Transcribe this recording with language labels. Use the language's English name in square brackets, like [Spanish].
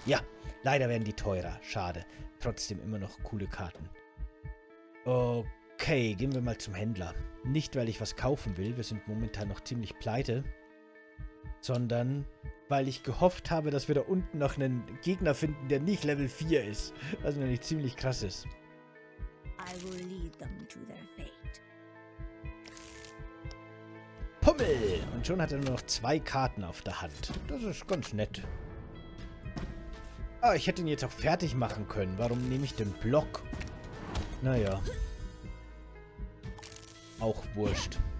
[German] Ja, leider werden die teurer. Schade. Trotzdem immer noch coole Karten. Okay, gehen wir mal zum Händler. Nicht, weil ich was kaufen will, wir sind momentan noch ziemlich pleite, sondern weil ich gehofft habe, dass wir da unten noch einen Gegner finden, der nicht Level 4 ist. Was nämlich ziemlich krass ist. [English] I will lead them to their fate. Pummel! [German] Und schon hat er nur noch 2 Karten auf der Hand. Das ist ganz nett. Ah, ich hätte ihn jetzt auch fertig machen können. Warum nehme ich den Block? Naja. Auch wurscht.